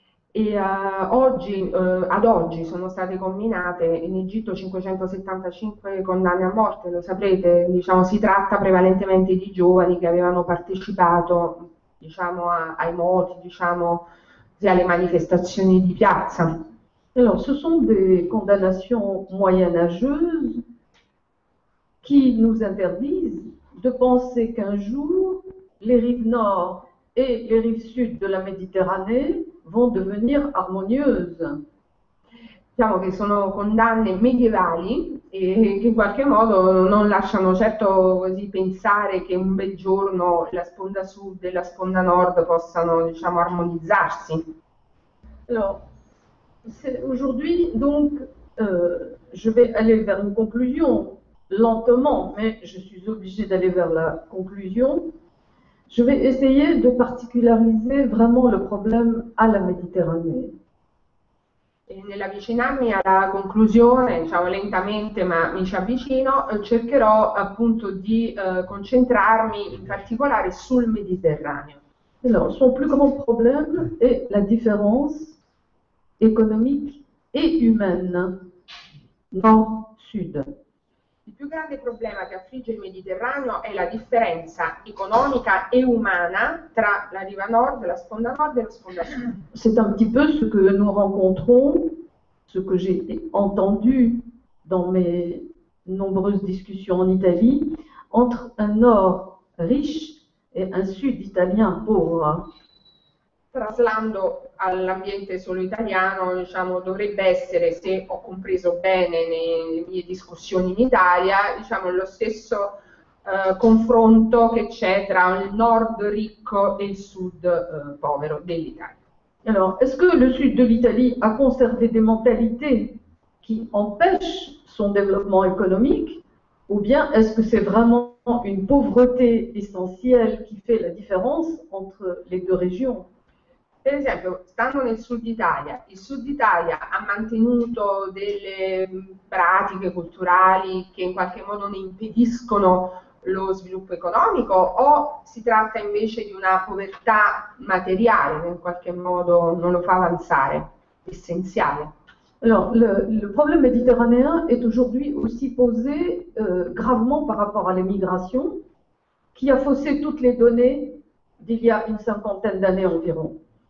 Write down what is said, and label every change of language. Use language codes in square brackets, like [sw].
[it] E oggi, ad oggi sono state comminate in Egitto 575 condanne a morte, lo saprete, diciamo, si tratta prevalentemente di giovani che avevano partecipato, diciamo, ai moti, diciamo, sia alle manifestazioni di piazza. [fr] Alors, ce sont des condamnations moyenâgeuses qui nous interdisent de penser qu'un jour, les rives nord et les rives sud de la Méditerranée vont devenir harmonieuses. [it] Diciamo che sono condanne medievali e che in qualche modo non lasciano certo così pensare che un bel giorno la sponda sud e la sponda nord possano, diciamo, armonizzarsi. [fr] Alors, aujourd'hui, donc, je vais aller vers une conclusion, lentement, mais je suis obligée d'aller vers la conclusion. Je vais essayer de particulariser vraiment le problème à la Méditerranée. [it] Nell'avvicinarmi alla conclusione, diciamo lentamente ma mi ci avvicino, cercherò appunto di concentrarmi in particolare sul Mediterraneo. [fr] Alors, son plus grand problème est la différence économique et humaine, nord-sud. [it] Il più grande problema che affligge il Mediterraneo è la differenza economica e umana tra la riva nord, la sponda nord e la sponda sud. [fr] C'est un petit peu ce que nous rencontrons, ce que j'ai entendu dans mes nombreuses discussions en Italie, entre un nord riche et un sud italien pauvre. [it] Traslando all'ambiente solo italiano, diciamo, dovrebbe essere, se ho compreso bene nelle mie discussioni in Italia, diciamo, lo stesso confronto che c'è tra il nord ricco e il sud povero dell'Italia. [fr] Alors, est-ce que le sud de l'Italie a conservé des mentalités qui empêchent son développement économique, ou bien est-ce que c'est vraiment une pauvreté essentielle qui fait la différence entre les deux régions? [it] Per esempio, stando nel sud Italia, il sud Italia ha mantenuto delle pratiche culturali che in qualche modo ne impediscono lo sviluppo economico, o si tratta invece di una povertà materiale che in qualche modo non lo fa avanzare, essenziale? [fr] Alors, le problème méditerranéen est aujourd'hui aussi posé gravement par rapport à l'immigration qui a faussé toutes les données d'il y a une cinquantaine d'années environ.